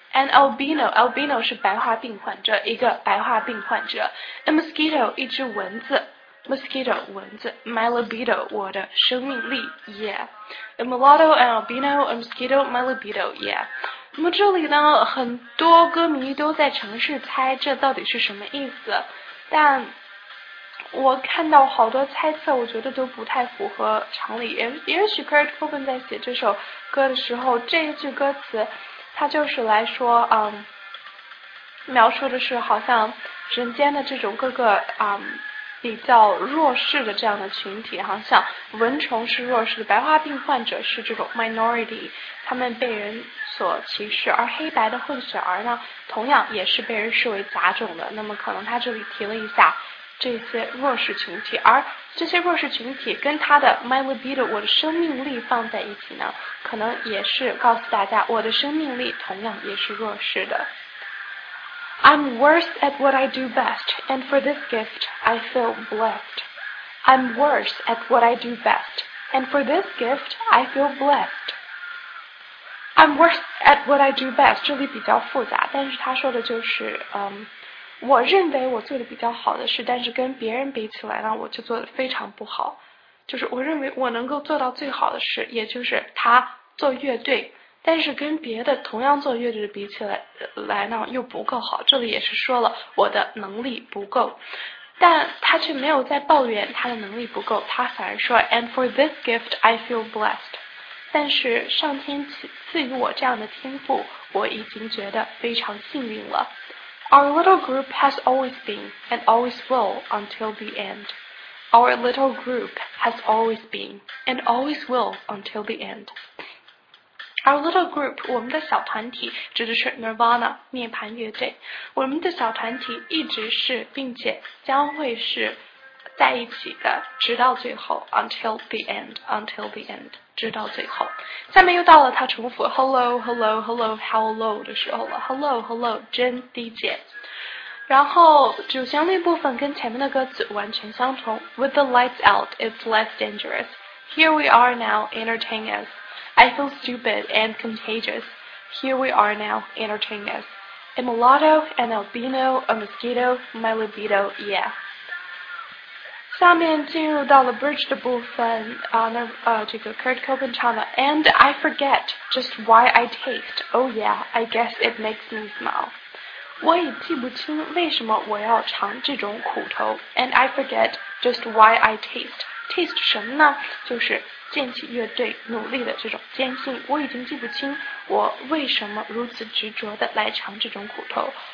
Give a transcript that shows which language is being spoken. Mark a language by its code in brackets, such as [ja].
[en] An albino, albino [zh] 是白化病患者，一个白化病患者。 [en] A mosquito, [zh] 一只蚊子。 [en] Mosquito, [zh] 蚊子。 [en] My libido, [zh] 我的生命力 [en] yeah. A mulatto, an albino, a mosquito, my libido, yeah. [zh] 那么这里呢，很多歌迷都在尝试猜这到底是什么意思，但我看到好多猜测，我觉得都不太符合常理。也许 Kurt Cobain 在写这首歌的时候，这一句歌词，他就是来说，描述的是好像人间的这种各个比较弱势的这样的群体，好像蚊虫是弱势的，白化病患者是这种 minority， 他们被人所歧视，而黑白的混血儿呢，同样也是被人视为杂种的。那么可能他这里提了一下这些弱势群体，而这些弱势群体跟他的 [en] my libido [zh] 我的生命力放在一起呢，可能也是告诉大家我的生命力同样也是弱势的。 [en] I'm worse at what I do best, and for this gift, I feel blessed. I'm worse at what I do best, and for this gift, I feel blessed. I'm worse at what I do best, [zh] 这里比较复杂，但是他说的就是，我认为我做的比较好的事，但是跟别人比起来呢，我就做的非常不好。就是我认为我能够做到最好的事，也就是他做乐队。但是跟别的同样做乐队的比起来呢，又不够好。这里也是说了我的能力不够，但他却没有在抱怨他的能力不够，他反而说 [en] And for this gift I feel blessed， [zh] 但是上天赐予我这样的天赋，我已经觉得非常幸运了。 [en] Our little group has always been and always will until the end. Our little group has always been and always will until the end. Our little group, [zh] 我们的小团体指的是 Nirvana, 涅槃乐队。我们的小团体一直是并且将会是在一起的，直到最后 [en] until the end, until the end, [zh] 直到最后。下面又到了他重复 [en] hello, hello, hello, hello [zh] 的时候了。 [en] Hello, hello, [zh] 真低贱。然后主旋律部分跟前面的歌词完全相同。 [en] With the lights out, it's less dangerous. Here we are now, entertain us.I feel stupid and contagious. Here we are now, entertain us. A mulatto, an albino, a mosquito, my libido, yeah. [zh] 下面进入到了 bridge 的部分、这个 Kurt Cobain 唱的 [en] And I forget just why I taste. Oh yeah, I guess it makes me smile. [zh] 我也记不清为什么我要尝这种苦头 [en] And I forget just why I taste. [zh] Taste 什么呢？就是剑气乐队努力的这种坚信。我已经记不清我为什么如此执着的来尝这种苦头。